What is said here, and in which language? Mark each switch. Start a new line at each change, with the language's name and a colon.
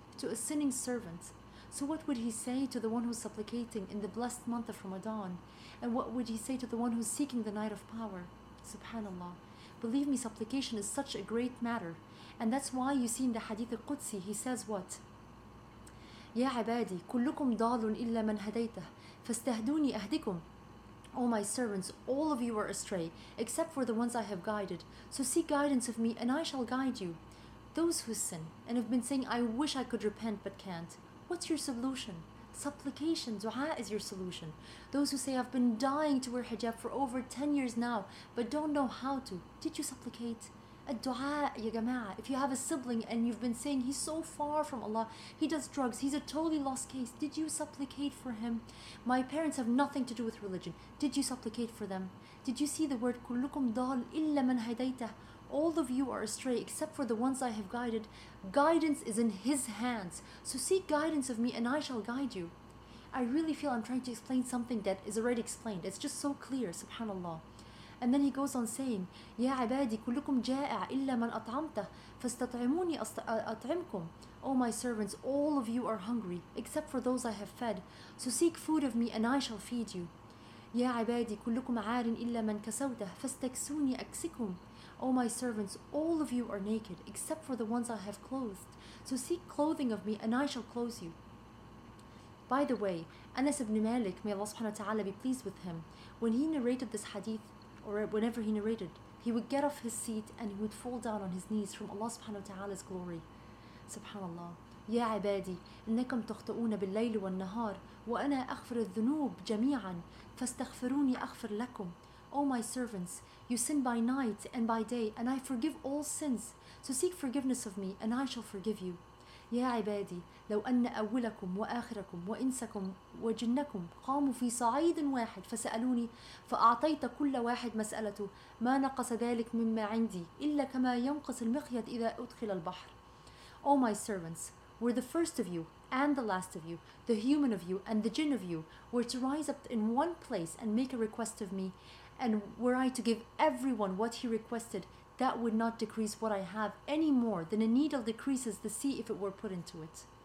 English: To a sinning servant. So what would he say to the one who's supplicating in the blessed month of Ramadan? And what would he say to the one who's seeking the night of power? Subhanallah. Believe me, supplication is such a great matter. And that's why you see in the hadith al-Qudsi, he says what?
Arabic: يا عبادي كلكم ضال إلا من هديته فاستهدوني أهدكم.
English: O my servants, all of you are astray except for the ones I have guided. So seek guidance of me and I shall guide you. Those who sin and have been saying, I wish I could repent but can't. What's your solution? Supplication, dua is your solution. Those who say, I've been dying to wear hijab for over 10 years now but don't know how to. Did you supplicate?
Arabic: الدعاء يا جماعة.
English: If you have a sibling and you've been saying he's so far from Allah, he does drugs, he's a totally lost case, did you supplicate for him? My parents have nothing to do with religion, did you supplicate for them? Did you see the word
Arabic: كلكم ضال إلا من هديته,
English: all of you are astray except for the ones I have guided. Guidance is in his hands, so seek guidance of me and I shall guide you. I really feel I'm trying to explain something that is already explained, it's just so clear, subhanallah. And then he goes on saying,
Arabic: يا عبادي كلكم جائع إلا من أطعمته فاستطعموني أطعمكم.
English: Oh my servants, all of you are hungry except for those I have fed, so seek food of me and I shall feed you.
Arabic: يا عبادي كلكم عار إلا من كسوته فاستكسوني أكسكم.
English: Oh my servants, all of you are naked except for the ones I have clothed, so seek clothing of me and I shall clothe you. By the way, Anas ibn Malik, may Allah subhanahu wa ta'ala be pleased with him, when he narrated this hadith, or whenever he narrated, he would get off his seat and he would fall down on his knees from Allah subhanahu wa ta'ala's glory. Subhanallah.
Arabic: يا عبادي إنكم تخطئون بالليل والنهار وأنا أغفر الذنوب جميعا فاستغفروني أغفر لكم.
English: Oh my servants, you sin by night and by day and I forgive all sins, so seek forgiveness of me and I shall forgive you.
Arabic: يا عبادي لو أن أولكم وآخركم وإنسكم وجنكم قاموا في صعيد واحد فسألوني فأعطيت كل واحد مسألته ما نقص ذلك مما عندي إلا كما ينقص المخيط إذا أدخل البحر.
English: Oh my servants, were the first of you and the last of you, the human of you and the jinn of you, were to rise up in one place and make a request of me, and were I to give everyone what he requested, that would not decrease what I have any more than a needle decreases the sea if it were put into it.